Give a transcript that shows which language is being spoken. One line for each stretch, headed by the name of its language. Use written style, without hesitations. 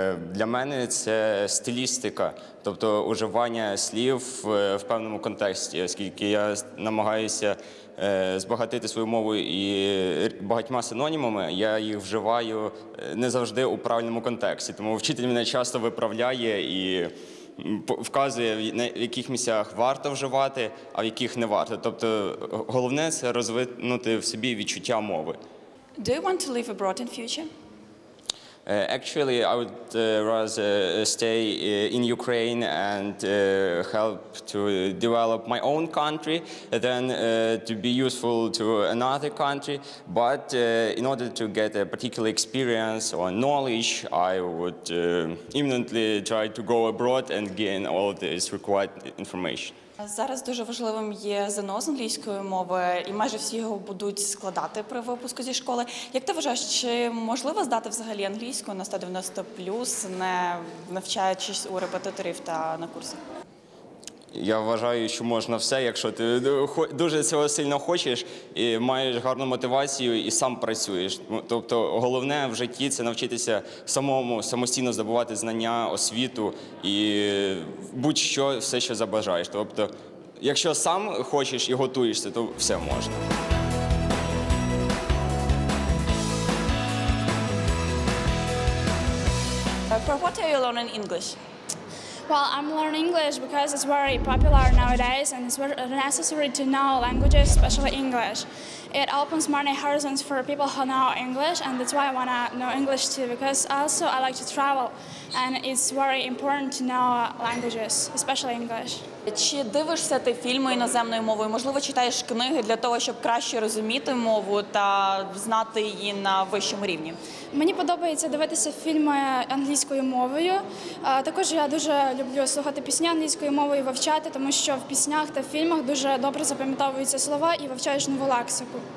Ukrainian: Для мене це стилістика, тобто уживання слів в певному контексті, оскільки я намагаюся збагатити свою мову і багатьма синонімами, я їх вживаю не завжди у правильному контексті. Тому вчитель мене часто виправляє і вказує, в яких місцях варто вживати, а в яких не варто. Тобто головне – це розвинути в собі відчуття мови.
English: Do you want to live abroad in future? Actually, I would rather stay in Ukraine and help to develop my own country than to be useful to another country. But in order to get a particular experience or knowledge, I would imminently try to go abroad and gain all this required information.
Ukrainian: Зараз дуже важливим є ЗНО з англійської мови, і майже всі його будуть складати при випуску зі школи. Як ти вважаєш, чи можливо здати взагалі англійську на 190+, не навчаючись у репетиторів та на курсах? Я вважаю, що можна все, якщо ти дуже цього сильно хочеш, і маєш гарну мотивацію і сам працюєш. Тобто головне в житті – це навчитися самому, самостійно здобувати знання, освіту і будь-що, все, що забажаєш. Тобто якщо сам хочеш і готуєшся, то все можна.
English: For what are you learning English? Well, I'm learning English because it's very popular nowadays and it's necessary to know languages, especially English. It opens many horizons for people who know English, and that's why I want to know English too, because also I like to travel and it's very important to know languages, especially English.
Ukrainian: Чи дивишся ти фільми іноземною мовою? Можливо, читаєш книги для того, щоб краще розуміти мову та знати її на вищому рівні? Мені подобається дивитися фільми англійською мовою. Також я дуже люблю слухати пісні англійською мовою, вивчати, тому що в піснях та фільмах дуже добре запам'ятовуються слова і вивчаєш нову лексику.